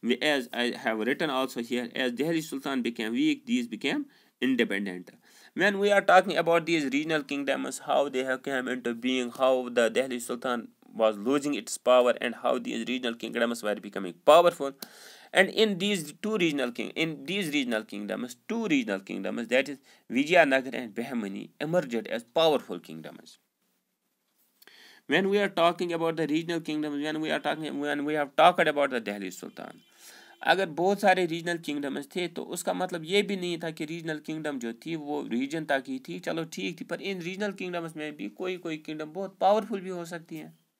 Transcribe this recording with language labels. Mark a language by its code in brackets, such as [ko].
[en] As I have written also here, as Delhi sultan became weak, these became independent. When we are talking about these regional kingdoms, how they have came into being, how the Delhi sultan was losing its power and how these regional kingdoms were becoming powerful. And in these two regional kingdoms, that is Vijayanagar and Bahmani, emerged as powerful kingdoms. When we are talking about the regional kingdoms, when we have talked about the Delhi Sultan, [hi] अगर बहुत सारे regional kingdoms थे तो उसका मतलब ये भी नहीं था कि रीजनल किंगडम जो थी वो रीजन तक ही थी. चलो ठीक थी, पर इन रीजनल किंगडम्स में भी कोई कोई किंगडम बहुत पावरफुल भी हो सकती हैं.